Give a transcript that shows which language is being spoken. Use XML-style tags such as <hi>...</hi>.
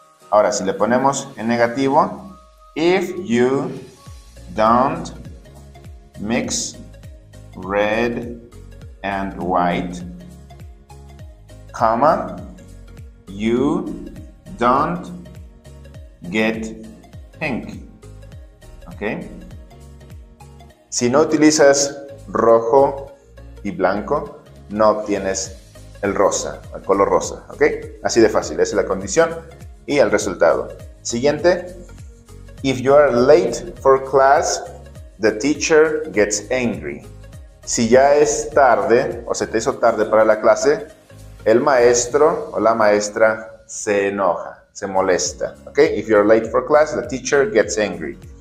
<es>Ahora, si le ponemos en negativo,</es> <en>if you don't mix red and white, comma, you don't get pink. ¿Ok?</en> <es>Si no utilizas rojo y blanco, no obtienes el rosa, el color rosa. ¿Ok? Así de fácil, esa es la condición. Y el resultado. Siguiente.</es> <en>If you are late for class, the teacher gets angry.</en> <es>Si ya es tarde o se te hizo tarde para la clase, el maestro o la maestra se enoja, se molesta. ¿Ok?</es> <en>If you are late for class, the teacher gets angry.</en>